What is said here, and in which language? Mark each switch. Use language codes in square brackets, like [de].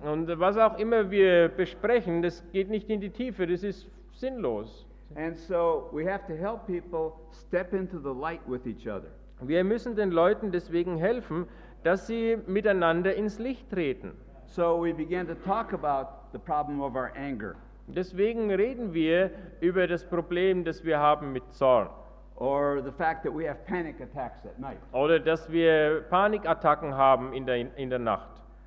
[de] Und was auch immer wir besprechen, das geht nicht in die Tiefe, das ist sinnlos. [en] And so we have to help people step into the light with each other. [de] Wir müssen den Leuten deswegen helfen, dass sie miteinander ins Licht treten. [en] So we began to talk about the problem of our anger. [de] Deswegen reden wir über das Problem, das wir haben mit Zorn. [en] Or the fact that we have panic attacks at night. [de] Oder dass wir Panikattacken haben in der Nacht.